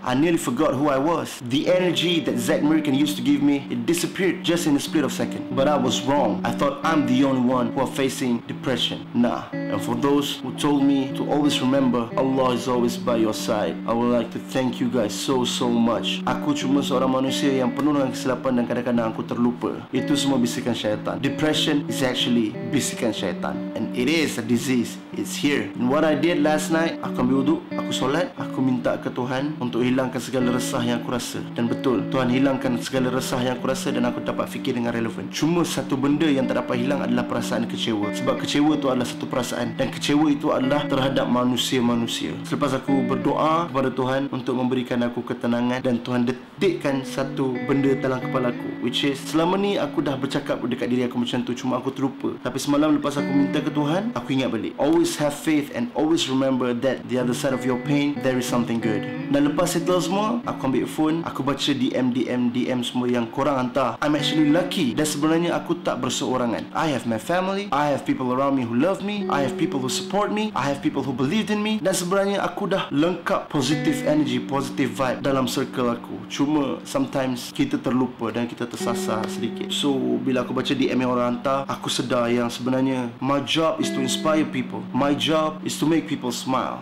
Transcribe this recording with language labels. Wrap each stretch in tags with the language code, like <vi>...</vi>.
<en>I nearly forgot who I was. The energy that Zack Merican used to give me, it disappeared just in a split of second. But I was wrong. I thought I'm the only one who are facing depression. Nah. And for those who told me to always remember, Allah is always by your side, I would like to thank you guys so much.</en> <ms>Aku cuma seorang manusia yang penuh dengan kesilapan dan kadang-kadang aku terlupa. Itu semua bisikan syaitan.</ms> <en>Depression is actually</en> <ms>bisikan syaitan.</ms> <en>And it is a disease. It's here. And what I did last night,</en> <ms>aku ambil wuduk, aku solat, aku minta ke Tuhan untuk hilangkan segala resah yang aku rasa. Dan betul, Tuhan hilangkan segala resah yang aku rasa dan aku dapat fikir dengan relevan. Cuma satu benda yang tak dapat hilang adalah perasaan kecewa. Sebab kecewa itu adalah satu perasaan dan kecewa itu adalah terhadap manusia-manusia. Selepas aku berdoa kepada Tuhan untuk memberikan aku ketenangan dan Tuhan detikkan satu benda dalam kepala aku, which is selama ni aku dah bercakap dekat diri aku macam tu, cuma aku terlupa. Tapi semalam lepas aku minta ke Tuhan, aku ingat balik.</ms> <en>Always have faith and always remember that the other side of your pain, there is something good.</en> <ms>Dan lepas itu semua, aku ambil phone, aku baca DM semua yang korang hantar.</ms> <en>I'm actually lucky</en> <ms>dan sebenarnya aku tak berseorangan.</ms> <en>I have my family, I have people around me who love me, I have people who support me, I have people who believed in me,</en> <ms>dan sebenarnya aku dah lengkap positive energy, positive vibe dalam circle aku. Cuma sometimes kita terlupa dan kita tersasar sedikit. So bila aku baca DM yang orang hantar, aku sedar yang sebenarnya</ms> <en>my job is to inspire people, my job is to make people smile.</en>